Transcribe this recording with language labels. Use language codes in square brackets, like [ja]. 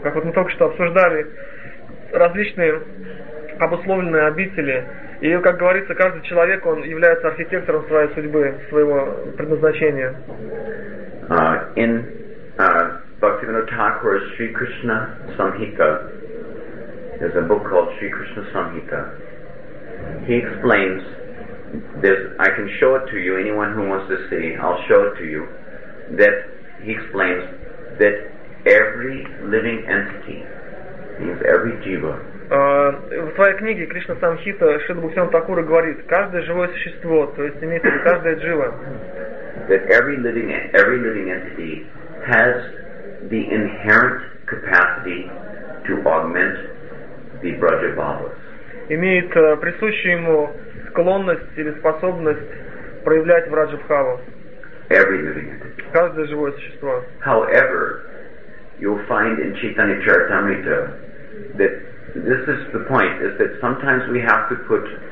[ru] Как вот мы только что обсуждали различные обусловленные обители, и как говорится, каждый человек, он является архитектором своей судьбы, своего предназначения. [en] In Bhaktivinoda Thakura's Sri Krishna Samhita, there's a book called Sri Krishna Samhita. He explains this. I can show it to you, anyone who wants to see, I'll show it to you. That he explains that every living entity, means every jiva. [ru] В своей книге Кришна Самхита Шрила Бхактивинода Такура говорит, каждое живое существо, то есть имеется в виду каждая джива. [en] That every living entity has the inherent capacity to augment the Braja Bhavas. [ru] Имеет присущую ему склонность или способность проявлять Враджа Бхаву. [en] Every living entity. [ru] Каждое живое существо. [en] However, you'll find in Chaitanya Charitamrita that this is the point, is that sometimes we have to put